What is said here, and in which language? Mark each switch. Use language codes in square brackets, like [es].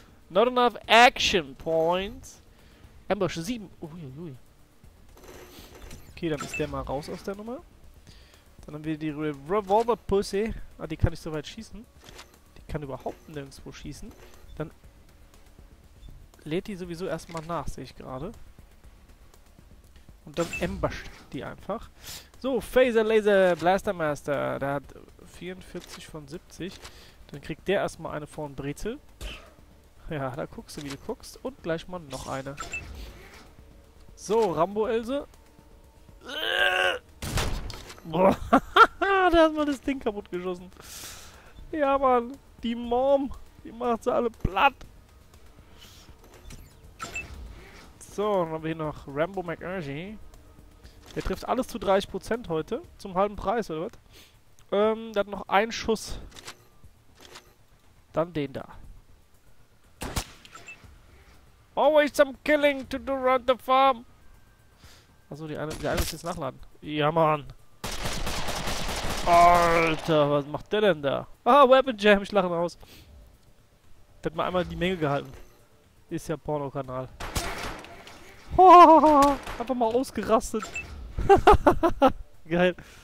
[en] Not enough action points. Ambush 7. Uiuiui. [de] Okay, dann ist der mal raus aus der Nummer. Dann haben wir die Revolver Pussy. Ah, die kann nicht so weit schießen. Die kann überhaupt nirgendwo schießen. Dann lädt die sowieso erstmal nach, sehe ich gerade. Und dann ambusht die einfach. So, Phaser Laser Blaster Master. Der hat 44 von 70. Dann kriegt der erstmal eine von Brezel. Ja, da guckst du, wie du guckst. Und gleich mal noch eine. So, Rambo Else. Boah, da hat man das Ding kaputt geschossen. Ja, Mann. Die Mom. Die macht sie alle platt. So, dann haben wir hier noch Rambo McEnergy. Der trifft alles zu 30% heute. Zum halben Preis, oder was? Der hat noch einen Schuss. Dann den da. [en] Always some killing to do around the farm. [de] Achso, die eine muss jetzt nachladen. Ja, Mann. Alter, was macht der denn da? Ah, Weapon Jam, ich lache raus. Der hat mal einmal die Menge gehalten. Ist ja Porno-Kanal. Einfach mal ausgerastet. Geil.